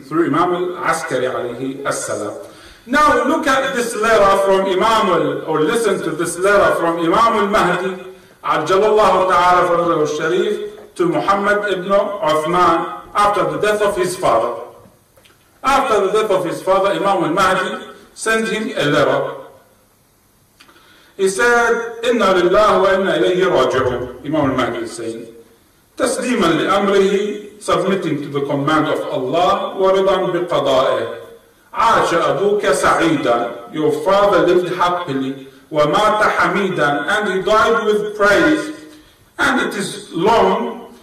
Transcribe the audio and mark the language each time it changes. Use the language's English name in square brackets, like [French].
[English] Through Imam al-Askari alayhi as-salam. Now look at this letter from Imam al, or listen to this letter from Imam al-Mahdi, ajjalallahu ta'ala farajahu al-sharif, to Muhammad ibn Uthman after the death of his father. After the death of his father, Imam al-Mahdi sent him a letter. He said, [Arabic] إِنَّ لِلَّهُ وَإِنَّ إِلَيْهِ رَاجِعُونَ. [English] Imam al-Mahdi is saying, [Arabic] تَسْلِيمًا لِأَمْرِهِ, [English] submitting to the command of Allah, [Arabic] وَرِضًا بِقَضَائِهِ. عَاشَ أَبُوكَ سَعِيدًا. [English] Your father lived happily. [Arabic] وَمَاتَ حَمِيدًا. [English] And he died with praise. And it is long.